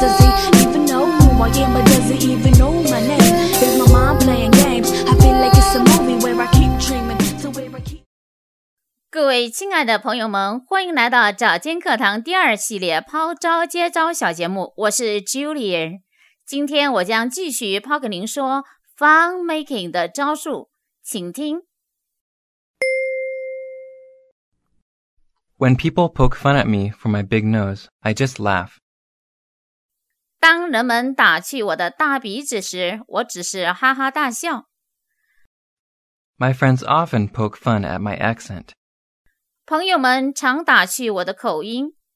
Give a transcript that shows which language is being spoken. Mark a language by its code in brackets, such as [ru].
[en] Does he even know who I am? Or does he even know my name? Is my mind playing games? I feel like it's a movie where I keep dreaming. So where I keep... [zh] 各位亲爱的朋友们，欢迎来到早间课堂第二系列抛招接招小节目，我是 Julian。今天我将继续抛给您说 [en] fun making [zh] 的招数，请听。 [en] When people poke fun at me for my big nose, I just laugh. [zh] 当人们打趣我的大鼻子时，我只是哈哈大笑。 [en] My friends often poke fun at my accent. [zh] 朋友们常打趣我的口音。